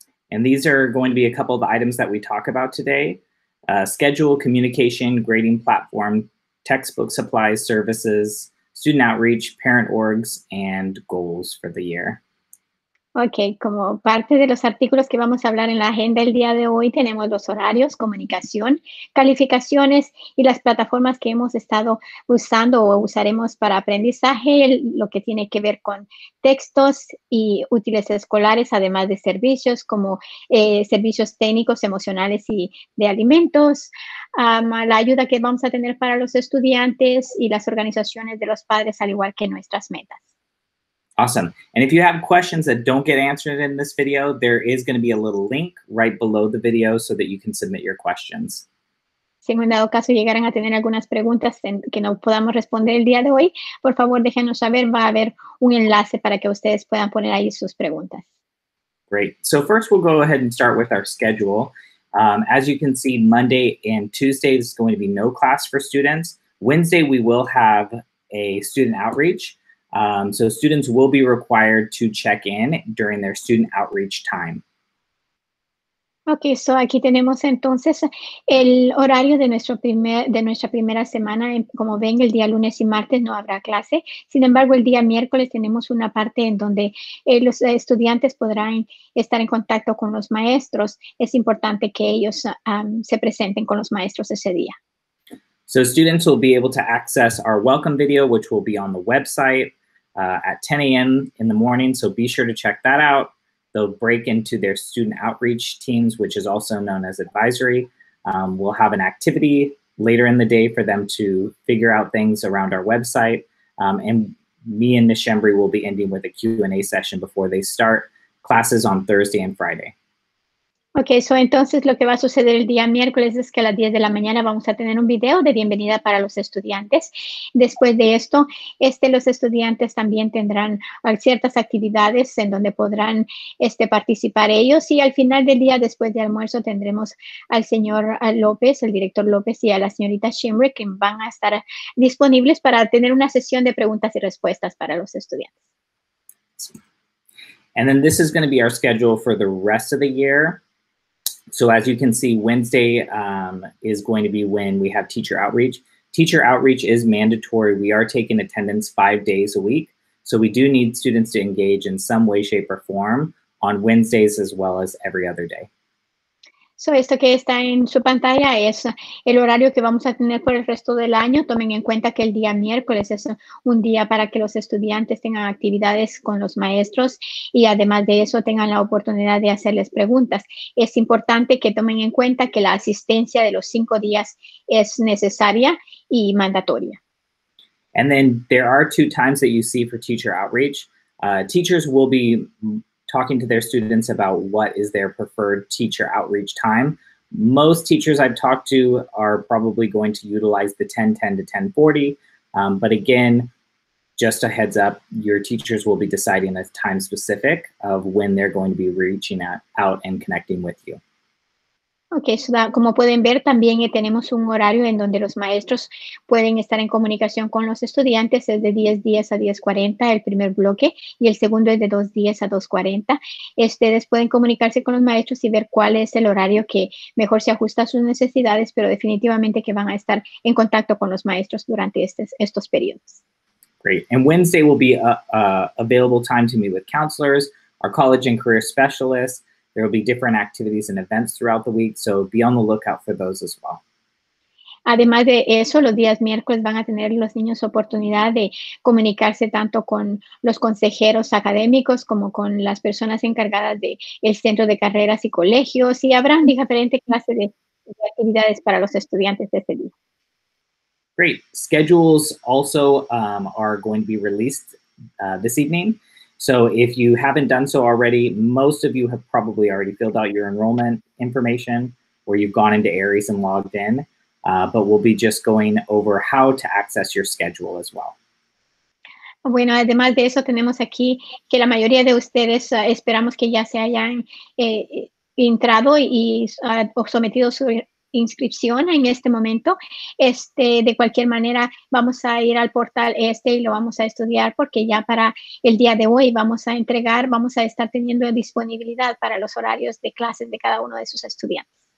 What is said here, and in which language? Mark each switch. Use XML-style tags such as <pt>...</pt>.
<en>And these are going to be a couple of the items that we talk about today. Schedule, communication, grading platform, textbook supplies, services, student outreach, parent orgs, and goals for the year.</en> <es>Okay, como parte de los artículos que vamos a hablar en la agenda el día de hoy, tenemos los horarios, comunicación, calificaciones y las plataformas que hemos estado usando o usaremos para aprendizaje, lo que tiene que ver con textos y útiles escolares, además de servicios como servicios técnicos, emocionales y de alimentos, la ayuda que vamos a tener para los estudiantes y las organizaciones de los padres, al igual que nuestras metas.</es> <en>Awesome. And if you have questions that don't get answered in this video, there is going to be a little link right below the video so that you can submit your questions.</en> <es>Si en dado caso llegaran a tener algunas preguntas que no podamos responder el día de hoy, por favor déjenos saber. Va a haber un enlace para que ustedes puedan poner ahí sus preguntas.</es> <en>Great. So first we'll go ahead and start with our schedule. As you can see, Monday and Tuesday is going to be no class for students. Wednesday we will have a student outreach. So students will be required to check in during their student outreach time. Okay, so</en> <es>aquí tenemos entonces el horario de nuestra primera semana. Como ven, el día lunes y martes no habrá clase. Sin embargo, el día miércoles tenemos una parte en donde los estudiantes podrán estar en contacto con los maestros. Es importante que ellos se presenten con los maestros ese día.</es> <en>So students will be able to access our welcome video, which will be on the website at 10 a.m. in the morning. So be sure to check that out. They'll break into their student outreach teams, which is also known as advisory. We'll have an activity later in the day for them to figure out things around our website. And me and Ms. Shembri will be ending with a Q&A session before they start classes on Thursday and Friday. Ok, so</en> <es>entonces lo que va a suceder el día miércoles es que a las 10 de la mañana vamos a tener un video de bienvenida para los estudiantes. Después de esto, los estudiantes también tendrán ciertas actividades en donde podrán participar ellos. Y al final del día, después de almuerzo, tendremos al señor López, el director López, y a la señorita Shimrick, que van a estar disponibles para tener una sesión de preguntas y respuestas para los estudiantes.</es> <en>And then this is going to be our schedule for the rest of the year. So as you can see, Wednesday is going to be when we have teacher outreach. Teacher outreach is mandatory. We are taking attendance 5 days a week. So we do need students to engage in some way, shape, or form on Wednesdays as well as every other day.</en> <es>So esto que está en su pantalla es el horario que vamos a tener por el resto del año. Tomen en cuenta que el día miércoles es un día para que los estudiantes tengan actividades con los maestros y además de eso tengan la oportunidad de hacerles preguntas. Es importante que tomen en cuenta que la asistencia de los 5 días es necesaria y mandatoria.</es> <en>And then there are two times that you see for teacher outreach. Teachers will be talking to their students about what is their preferred teacher outreach time. Most teachers I've talked to are probably going to utilize the 10:10 to 10:40. But again, just a heads up, your teachers will be deciding a time specific of when they're going to be reaching out and connecting with you. Ok, so</en> <es>como pueden ver, también tenemos un horario en donde los maestros pueden estar en comunicación con los estudiantes. Es de 10:10 a 10:40 el primer bloque y el segundo es de 2:10 a 2:40. Ustedes pueden comunicarse con los maestros y ver cuál es el horario que mejor se ajusta a sus necesidades, pero definitivamente que van a estar en contacto con los maestros durante estos periodos.</es> <en>Great. And Wednesday will be a available time to meet with counselors, our college and career specialists. There will be different activities and events throughout the week, so be on the lookout for those as well.</en> <es>Además de eso, los días miércoles van a tener los niños oportunidad de comunicarse tanto con los consejeros académicos como con las personas encargadas del centro de carreras y colegios, y habrán diferentes clases de actividades para los estudiantes de ese día.</es> <en>Great. Schedules also are going to be released this evening. So if you haven't done so already, most of you have probably already filled out your enrollment information, or you've gone into Aries and logged in. But we'll be just going over how to access your schedule as well.</en> <es>Bueno, además de eso, tenemos aquí que la mayoría de ustedes esperamos que ya se hayan entrado y sometido su inscripción en este momento. De cualquier manera, vamos a ir al portal este y lo vamos a estudiar, porque ya para el día de hoy vamos a estar teniendo disponibilidad para los horarios de clases de cada uno de sus estudiantes.</es>